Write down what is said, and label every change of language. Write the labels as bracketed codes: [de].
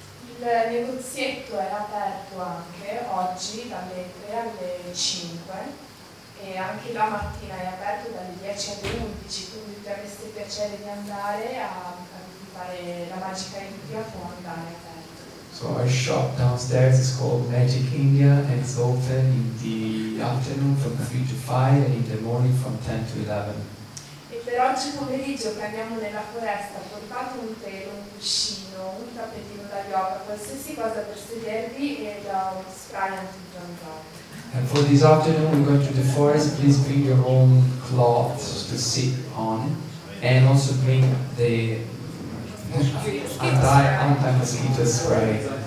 [it] Il negozietto è aperto anche oggi dalle 3 alle 5 e anche la mattina è aperto dalle 10 alle 11, quindi se avreste piacere di andare a fare la magica India può andare aperto. [en] So our shop downstairs is called Magic India and it's open in the afternoon from 3 to 5 and in the morning from 10 to 11. [it] Per oggi pomeriggio che andiamo nella foresta, portate un telo, un cuscino, un tappetino da yoga, qualsiasi cosa per sedervi e da un spray antizzanzare. [en] And for this afternoon we're going to the forest, please bring your own cloth to sit on and also bring the anti-mosquito spray.